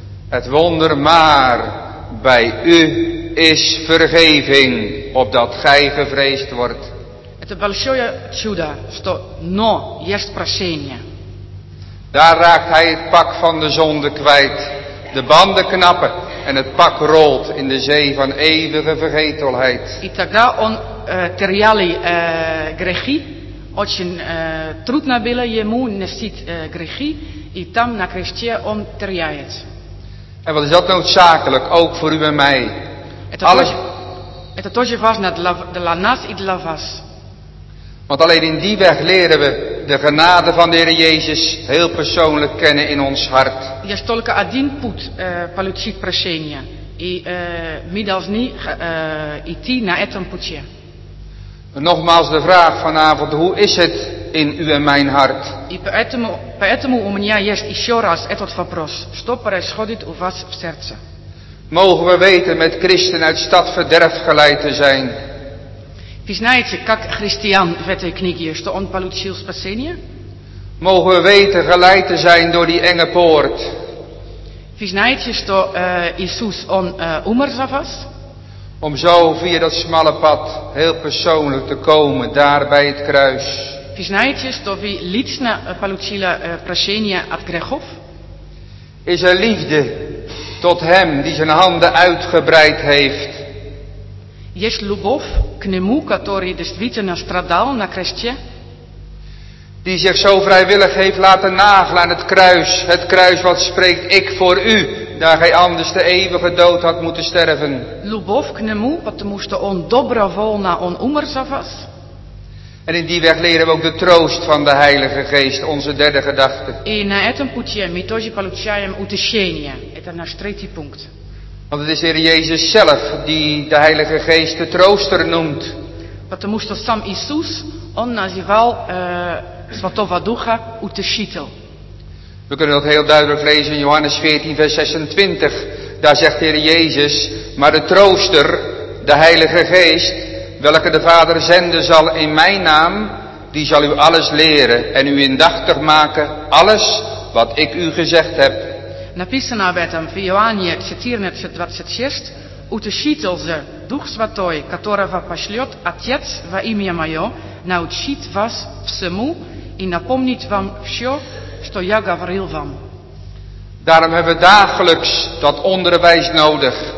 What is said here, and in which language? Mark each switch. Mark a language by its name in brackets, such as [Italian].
[Dutch] Het wonder, maar bij u is vergeving, opdat gij gevreesd wordt. Het [Russian] большое чудо, что но есть прощение. [Dutch] Daar raakt hij het pak van de zonde kwijt. De banden knappen en het pak rolt in de zee van eeuwige vergetelheid. [Russian] И тогда он теряли грехи, очень трудно было ему носить грехи, и там на кресте он теряет. [Dutch] En wat is dat noodzakelijk, ook voor u en mij? [Russian] Это тоже важно для нас и для вас. [Dutch] Want alleen in die weg leren we de genade van de Heer Jezus heel persoonlijk kennen in ons hart. [Russian] Есть только один путь получить прощение. И мы должны идти на этом пути. [Dutch] Nogmaals de vraag vanavond, hoe is het in u en mijn hart? [Russian] И поэтому у меня есть еще раз этот вопрос. Что происходит у вас в сердце? [Dutch] Mogen we weten met christen uit stad verderf geleid te zijn? [Russian] Вы знаете, как христиан в этой книге, что он получил спасение? [Dutch] Mogen we weten geleid te zijn door die enge poort? [Russian] Вы знаете, что Иисус, он умер за вас? [Dutch] Om zo via dat smalle pad heel persoonlijk te komen, daar bij het kruis. [Russian] Вы знаете, что вы лично получили прощение от грехов? [Dutch] Is er liefde tot hem die zijn handen uitgebreid heeft? [Russian] Есть любовь к нему, который действительно страдал на кресте? [Dutch] Die zich zo vrijwillig heeft laten nagelen aan het kruis wat spreekt ik voor u, daar gij anders de eeuwige dood had moeten sterven. [Russian] Любовь к нему, потому что он добровольно он умер за вас. [Dutch] En in die weg leren we ook de troost van de Heilige Geest, onze derde gedachte. [Russian] И на этом пути мы тоже получаем утешение. Это наш третий пункт. [Dutch] Want het is Heer Jezus zelf die de Heilige Geest de trooster noemt. [Russian] Потому что сам Иисус, он называл Святого Духа утешител. [Dutch] We kunnen dat heel duidelijk lezen in Johannes 14, vers 26. Daar zegt Heer Jezus, maar de trooster, de Heilige Geest, welke de Vader zenden zal in mijn naam, die zal u alles leren en u indachtig maken, alles wat ik u gezegd heb. [Russian] Написано об этом в Иоанне 14:26. Утешитель же, Дух Святой, которого пошлет Отец во имя Мое, научит вас всему и напомнит вам все, что я говорил вам. [Dutch] Daarom hebben we dagelijks dat onderwijs nodig.